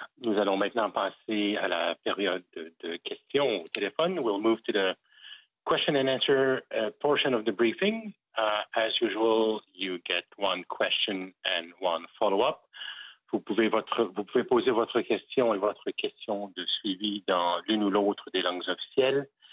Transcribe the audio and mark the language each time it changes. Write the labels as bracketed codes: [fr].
[fr] Nous allons maintenant passer à la période de questions au téléphone. [en] We'll move to the question and answer portion of the briefing. As usual, you get one question and one follow-up. [fr] Vous pouvez poser votre question et votre question de suivi dans l'une ou l'autre des langues officielles.